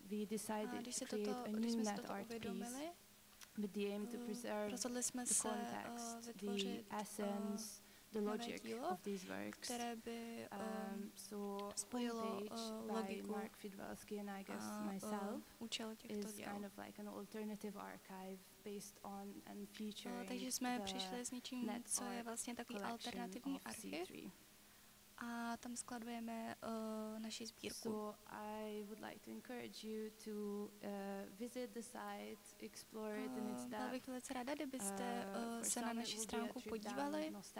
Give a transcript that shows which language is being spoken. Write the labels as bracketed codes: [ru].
[en] we decided to create a new NetArt piece with the aim to preserve the context, the essence, the logic of these works. Mark Fidwalsky and I guess myself is kind of like an alternative archive based on and featuring [cs] takže jsme přišli s něčím, co je vlastně takový alternativní archiv. a tam skladujeme naši sbírku. [en] So I would like to encourage you to visit the site, explore it in its depth. [cs] Byla bych velice ráda, kdybyste se na naši stránku podívali.